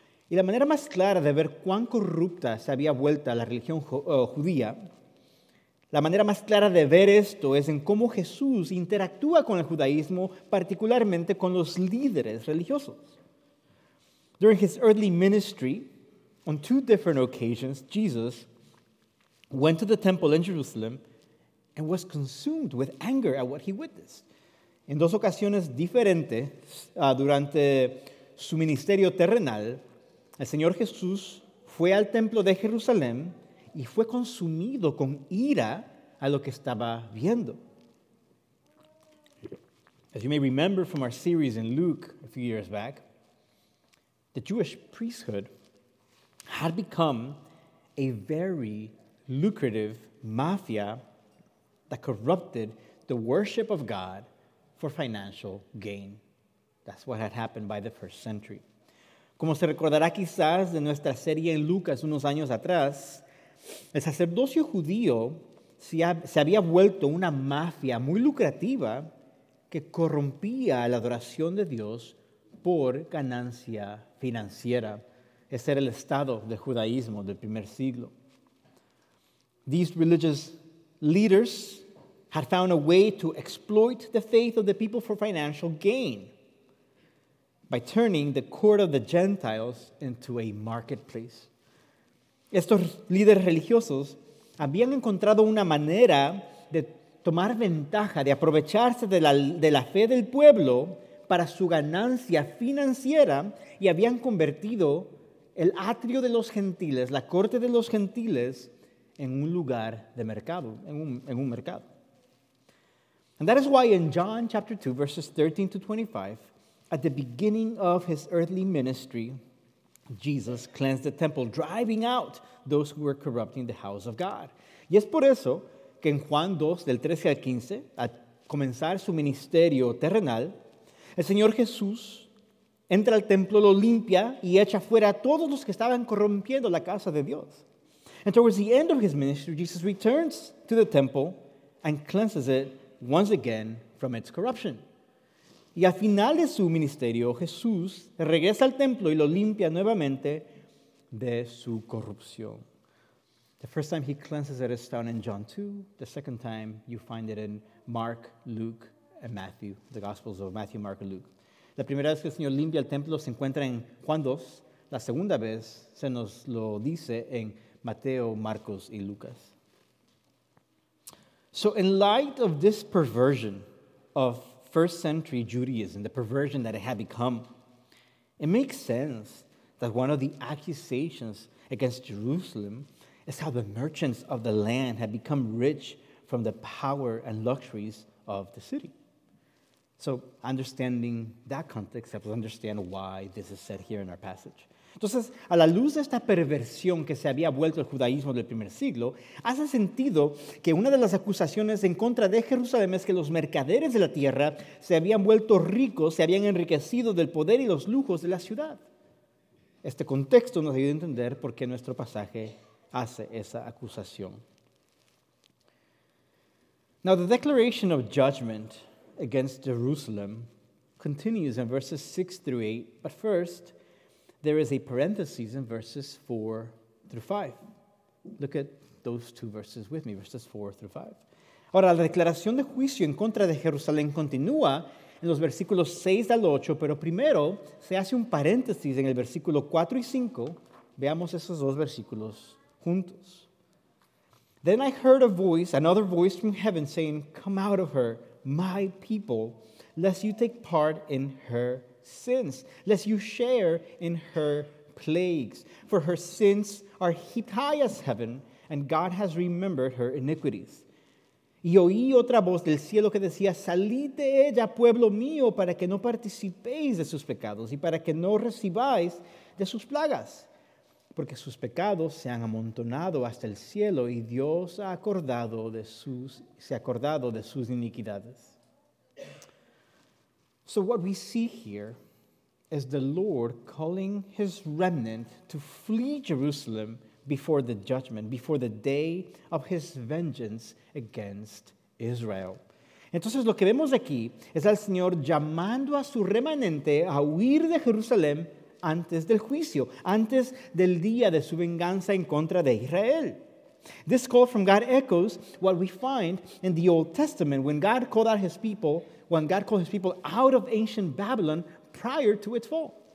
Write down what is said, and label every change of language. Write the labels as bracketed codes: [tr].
[es] Y la manera más clara de ver cuán corrupta se había vuelto la religión judía, la manera más clara de ver esto es en cómo Jesús interactúa con el judaísmo, particularmente con los líderes religiosos. [en] During his earthly ministry, on two different occasions, Jesus went to the temple in Jerusalem and was consumed with anger at what he witnessed. [es] En dos ocasiones diferentes, durante su ministerio terrenal, el Señor Jesús fue al templo de Jerusalén y fue consumido con ira a lo que estaba viendo. [en] As you may remember from our series in Luke a few years back, the Jewish priesthood had become a very lucrative mafia that corrupted the worship of God for financial gain. That's what had happened by the first century. [es] Como se recordará quizás de nuestra serie en Lucas unos años atrás, el sacerdocio judío se había vuelto una mafia muy lucrativa que corrompía la adoración de Dios por ganancia financiera. Ese era el estado del judaísmo del primer siglo. [en] These religious leaders had found a way to exploit the faith of the people for financial gain by turning the court of the Gentiles into a marketplace. [es] Estos líderes religiosos habían encontrado una manera de tomar ventaja, de aprovecharse de la fe del pueblo para su ganancia financiera y habían convertido el atrio de los gentiles, la corte de los gentiles, en un lugar de mercado, en un mercado. [en] And that is why in John chapter 2, verses 13 to 25, at the beginning of his earthly ministry, Jesus cleansed the temple, driving out those who were corrupting the house of God. [es] Y es por eso que en Juan 2, del 13 al 15, al comenzar su ministerio terrenal, el Señor Jesús entra al templo, lo limpia y echa fuera a todos los que estaban corrompiendo la casa de Dios. [en] And towards the end of his ministry, Jesus returns to the temple and cleanses it once again from its corruption. [es] Y al final de su ministerio, Jesús regresa al templo y lo limpia nuevamente de su corrupción. [en] The first time he cleanses it is found in John 2. The second time you find it in Mark, Luke, and Matthew, the Gospels of Matthew, Mark, and Luke. [es] La primera vez que el Señor limpia el templo se encuentra en Juan 2. La segunda vez se nos lo dice en Mateo, Marcos, y Lucas. [en] So in light of this perversion of first century Judaism, the perversion that it had become, it makes sense that one of the accusations against Jerusalem is how the merchants of the land had become rich from the power and luxuries of the city. So understanding that context helps us understand why this is said here in our passage. [es] Entonces, a la luz de esta perversión que se había vuelto el judaísmo del primer siglo, hace sentido que una de las acusaciones en contra de Jerusalén es que los mercaderes de la tierra se habían vuelto ricos, se habían enriquecido del poder y los lujos de la ciudad. Este contexto nos ayuda a entender por qué nuestro pasaje hace esa acusación. [en] Now, the declaration of judgment against Jerusalem continues in verses 6 through 8, but first, there is a parenthesis in verses 4 through 5. Look at those two verses with me, verses 4 through 5. [es] Ahora, la declaración de juicio en contra de Jerusalén continúa en los versículos 6 al 8, pero primero se hace un paréntesis en el versículo 4 y 5. Veamos esos dos versículos juntos. [en] Then I heard a voice, another voice from heaven, saying, "Come out of her, my people, lest you take part in her sins, lest you share in her plagues. For her sins are heaped high as heaven, and God has remembered her iniquities." [es] Y oí otra voz del cielo que decía, "Salid de ella, pueblo mío, para que no participéis de sus pecados, y para que no recibáis de sus plagas. Porque sus pecados se han amontonado hasta el cielo, y Dios ha acordado de sus, se ha acordado de sus iniquidades." [en] So what we see here is the Lord calling his remnant to flee Jerusalem before the judgment, before the day of his vengeance against Israel. [es] Entonces lo que vemos aquí es al Señor llamando a su remanente a huir de Jerusalén antes del juicio, antes del día de su venganza en contra de Israel. [en] This call from God echoes what we find in the Old Testament when God called out his people when God called his people out of ancient Babylon prior to its fall.